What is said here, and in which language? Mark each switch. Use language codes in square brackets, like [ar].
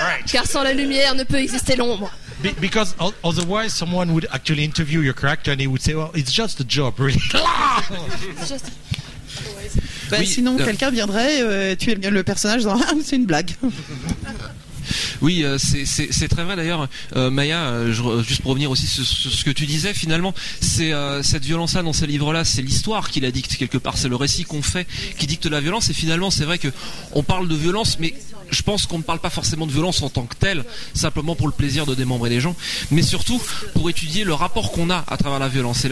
[fr] Car sans la lumière ne peut exister l'ombre. [en] Because otherwise someone would actually interview your character and he would say, well, it's just a job, really. [fr] Oui, sinon quelqu'un viendrait tuer le personnage dans c'est une blague. Oui, c'est très vrai d'ailleurs, Maya, juste pour revenir aussi sur ce que tu disais, finalement, c'est cette violence-là dans ces livres-là, c'est l'histoire qui la dicte quelque part, c'est le récit qu'on fait qui dicte la violence, et finalement c'est vrai qu'on parle de violence, mais je pense qu'on ne parle pas forcément de violence en tant que telle, simplement pour le plaisir de démembrer les gens, mais surtout pour étudier le rapport qu'on a à travers la violence.